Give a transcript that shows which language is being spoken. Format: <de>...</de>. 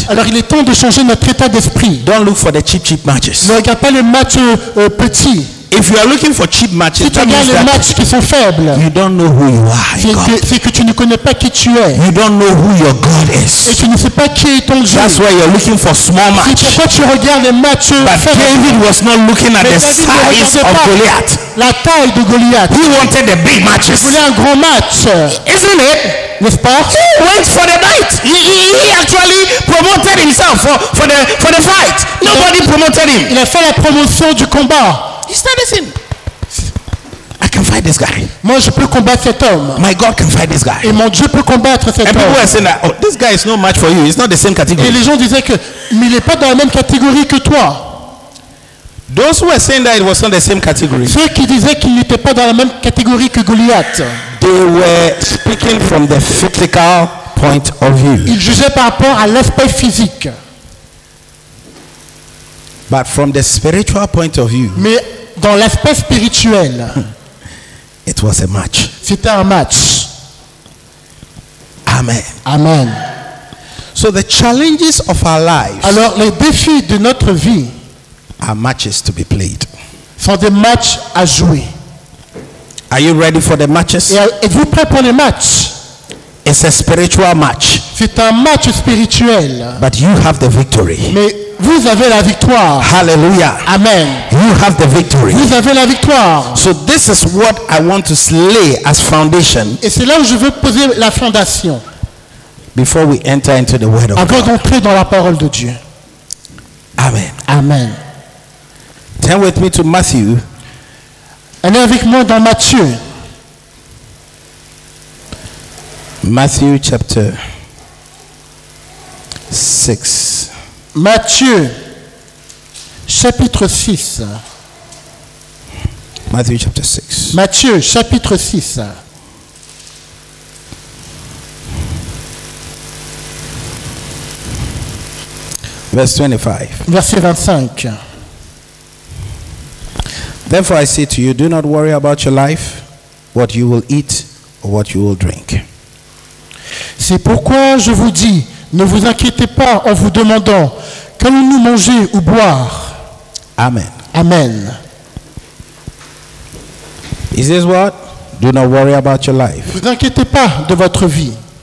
<fr>Alors il est temps de changer notre état d'esprit.</fr> <en>Don't look for the cheap matches.</en> <fr>Ne regarde pas les matchs petits.</fr> <en>If you are looking for cheap matches,</en> <fr>si tu regardes les matchs qui sont faibles,</fr> <en>you don't know who you are,</en> <fr>c'est que tu ne connais pas qui tu es.</fr> <en>You don't know who your God is.</en> <fr>Et tu ne sais pas qui est ton Dieu.</fr> <en>That's why you're looking for small matches.</en> <fr>C'est pourquoi tu regardes les matchs faibles.</fr> <en>But David was not looking at the size of Goliath.</en> <fr>La taille de Goliath.</fr> <en>He wanted the big matches.</en> <fr>Il voulait un grand match.</fr> <en>Isn't it?</en> <fr>N'est-ce pas?</fr> <en>He went for the night. He actually promoted himself for the fight. Nobody promoted him.</en> <fr>Il a fait la promotion du combat.</fr> <en>He's not listening. I can fight this guy.</en> <fr>Moi, je peux combattre cet homme.</fr> <en>My God can fight this guy.</en> <fr>Et mon Dieu peut combattre cet homme.</fr> <en>And people were saying that, oh, this guy is no match for you. It's not the same category.</en> <fr>Et les gens disaient que, mais il est pas dans la même catégorie que toi.</fr> <en>Those who were saying that it was not the same category.</en> <fr>Ceux qui disaient qu'il n'était pas dans la même catégorie que Goliath.</fr> <en>They were speaking from the physical point of view.</en> <fr>Ils jugeaient par rapport à l'aspect physique.</fr> <en>But from the spiritual point of view.</en> <fr>Mais dans l'aspect spirituel.</fr> <en>It was a match.</en> <fr>C'était un match. Amen. Amen.</fr> <en>So the challenges of our lives.</en> <fr>Alors les défis de notre vie.</fr> <en>Are matches to be played.</en> <fr>Sont des matchs à jouer.</fr> <en>Are you ready for the matches?</en> <fr>Êtes-vous prêt pour les matchs?</fr> <en>It's a spiritual match.</en> <fr>C'est un match spirituel.</fr> <en>But you have the victory.</en> <fr>Mais vous avez la victoire. Hallelujah. Amen.</fr> <en>You have the victory.</en> <fr>Vous avez la victoire.</fr> <en>So this is what I want to lay as foundation.</en> <fr>Et c'est là où je veux poser la fondation.</fr> <en>Before we enter into the word of</en> <fr>avant</fr> <en>God.</en> <fr>Avant d'entrer dans la parole de Dieu. Amen. Amen.</fr> <en>Turn with me to Matthew.</en> <fr>Allez avec moi dans Matthieu.</fr> <en>Matthew chapter 6.</en> <fr>Matthieu chapitre 6.</fr> <en>Matthew chapter 6.</en> <fr>Matthieu chapitre 6.</fr> <en>Verse 25.</en> <fr>Verset 25.</fr> <en>Therefore I say to you, do not worry about your life, what you will eat or what you will drink.</en> <fr>C'est pourquoi je vous dis, ne vous inquiétez pas en vous demandant, qu'allons-nous manger ou boire? Amen. Amen.</fr> <en>He says what? Do not worry about your life.</en> <fr>Ne vous inquiétez pas de votre vie.</fr>